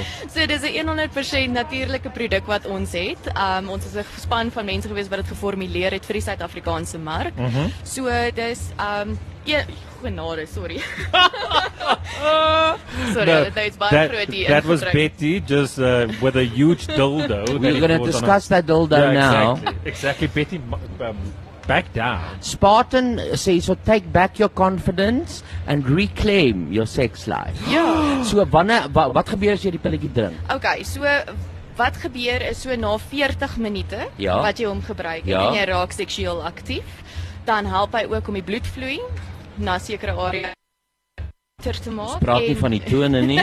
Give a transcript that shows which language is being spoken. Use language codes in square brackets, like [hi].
[af] So dis 'n 100% natuurlike produk wat ons het. Ons is 'n span van mense gewees wat dit geformuleer het vir die Suid-Afrikaanse mark. Mm-hmm. So dis genade, sorry. [en] That was Betty, just with a huge dildo. We're going to discuss that dildo now. Exactly, Betty. Back down. Spartan says, so take back your confidence and reclaim your sex life. Yeah. [af] So, wat gebeur as jy die pilletjie drink? Okay, so wat gebeur is so na 40 minute ja. Wat jy hom gebruik ja. En jy raak seksueel aktief, dan help hy ook om die bloed vloei na sekere area. Ons praat nie van die tone nie.